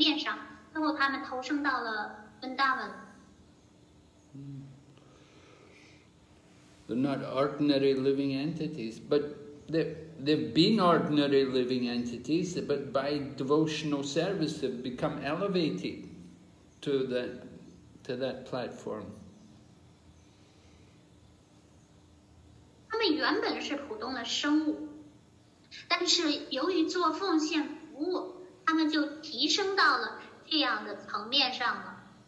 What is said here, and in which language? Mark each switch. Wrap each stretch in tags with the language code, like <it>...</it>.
<zh>他们都是像我们一样的生物体，他们在不同的身体当中投生了许许多多次，然后最后他们提升到了奉献服务的层面上，最后他们投生到了Vrindavan。</zh> <en>They're not ordinary living entities, but they've been ordinary living entities, but by devotional service they've become elevated to that platform.</en> <zh>他们原本是普通的生物，但是由于做奉献服务，他们就提升到了这样的层面上了。</zh>